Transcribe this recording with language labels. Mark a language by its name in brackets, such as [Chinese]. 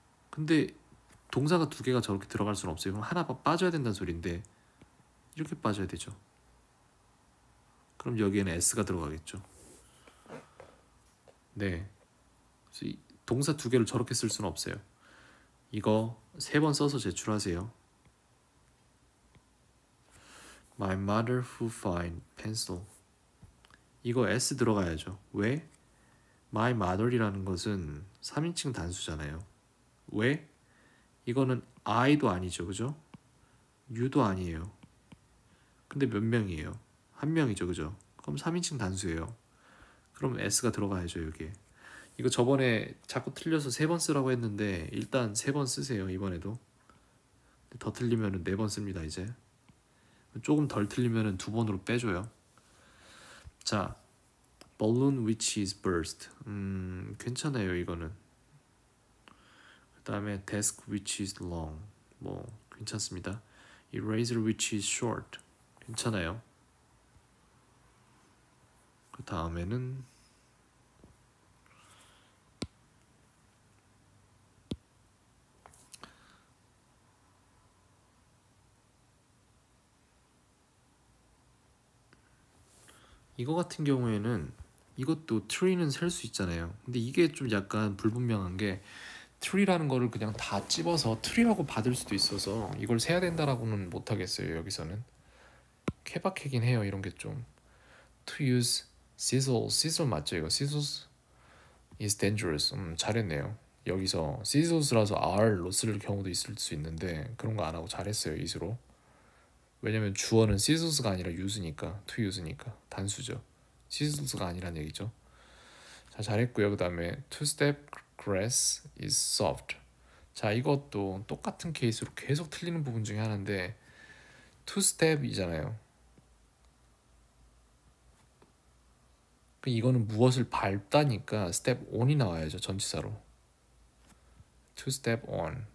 [Korean] 근데 동사가 두 개가 저렇게 들어갈 수는 없어요. 그럼 하나 빠져야 된다는 소리인데, 이렇게 빠져야 되죠. 그럼 여기에는 S가 들어가겠죠. 네. 그래서 이 동사 두 개를 저렇게 쓸 수는 없어요. 이거 세번 써서 제출하세요. [English] My mother who find pencil. [Korean] 이거 S 들어가야죠. 왜? My mother이라는 것은 3인칭 단수잖아요. 왜? 이거는 I도 아니죠, 그죠? You도 아니에요. 근데 몇 명이에요? 한 명이죠, 그죠? 그럼 3인칭 단수예요. 그럼 S가 들어가야죠, 여기에. 이거 저번에 자꾸 틀려서 세번 쓰라고 했는데, 일단 세번 쓰세요, 이번에도. 더 틀리면은 네번 씁니다, 이제. 조금 덜 틀리면은 두 번으로 빼줘요. [English] 자, balloon which is burst. [Korean] 괜찮아요, 이거는. 그다음에 [English] desk which is long. [Korean] 뭐 괜찮습니다. [English] eraser which is short. [Korean] 괜찮아요. 그다음에는 이거 같은 경우에는 이것도 tree는 셀수 있잖아요. 근데 이게 좀 약간 불분명한 게 트리라는 거를 그냥 다 집어서 트리라고 받을 수도 있어서 이걸 세야 된다라고는 못 하겠어요. 여기서는 케바케긴 해요. 이런 게 좀. [English] To use scissors [Korean] 맞죠? 이거 [English] scissors is dangerous. [Korean] 잘했네요. 여기서 scissors라서 R 로스를 경우도 있을 수 있는데 그런 거안 하고 잘했어요. is로. 왜냐면 주어는 scissors가 아니라 use니까. to use니까 단수죠. scissors가 아니란 얘기죠. 자, 잘했고요. 그다음에 [English] two step Grass is soft. [Korean] 자, 이것도 똑같은 케이스로 계속 틀리는 부분 중에 하나인데, [English] two step [Korean] 이잖아요. 그 이거는 무엇을 밟다니까 step on이 나와야죠, 전치사로. [English] two step on.